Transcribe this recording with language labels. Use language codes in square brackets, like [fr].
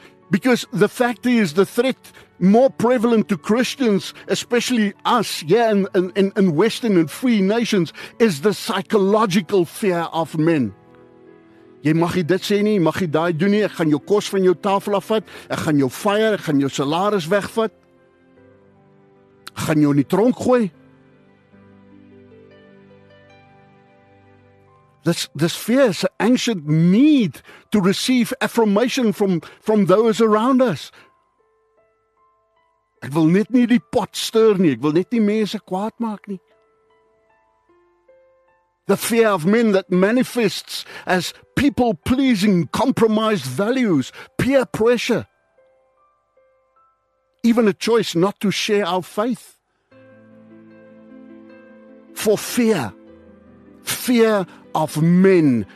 [en] Because the fact is, the threat more prevalent to Christians, especially us, yeah, in Western and free nations, is the psychological fear of men. [af] Jy mag nie dit sê nie, mag nie daai doen nie, ek gaan jou kos van jou tafel afvat, ek gaan jou fire, ek gaan jou salaris wegvat, ek gaan jou in die tronk gooi. [en] This fear is an ancient need to receive affirmation from those around us. [af] Ek wil net nie die pot stir nie. Ek wil net nie mense kwaad maak nie. [en] The fear of men that manifests as people-pleasing, compromised values, peer pressure, even a choice not to share our faith. For fear. Fear of men.